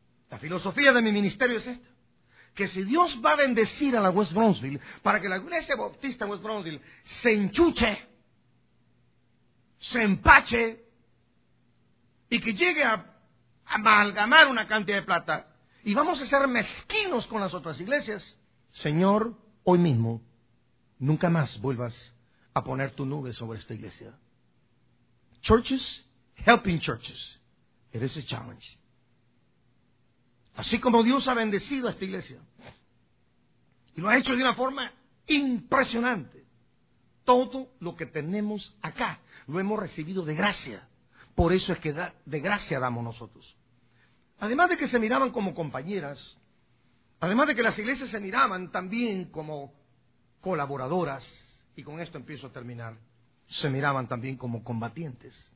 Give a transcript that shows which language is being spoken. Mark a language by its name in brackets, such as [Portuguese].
[Spanish] La filosofía de mi ministerio es esta. Que si Dios va a bendecir a la West Bronzeville para que la iglesia bautista West Bronzeville se enchuche, se empache y que llegue a amalgamar una cantidad de plata y vamos a ser mezquinos con las otras iglesias, Señor, hoy mismo nunca más vuelvas a poner tu nube sobre esta iglesia. [English] Churches helping churches. It is a challenge. [Spanish] Así como Dios ha bendecido a esta iglesia y lo ha hecho de una forma impresionante, todo lo que tenemos acá lo hemos recibido de gracia. Por eso es que de gracia damos nosotros. Además de que se miraban como compañeras, además de que las iglesias se miraban también como colaboradoras, y con esto empiezo a terminar, se miraban también como combatientes.